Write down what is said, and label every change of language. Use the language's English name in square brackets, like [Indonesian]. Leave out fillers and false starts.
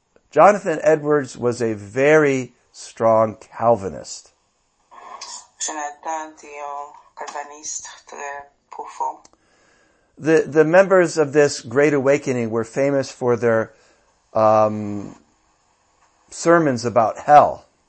[English] Jonathan Edwards was a very strong Calvinist. [French] Jonathan était un calviniste très profond. [English] The members of this Great Awakening were famous for their sermons about hell.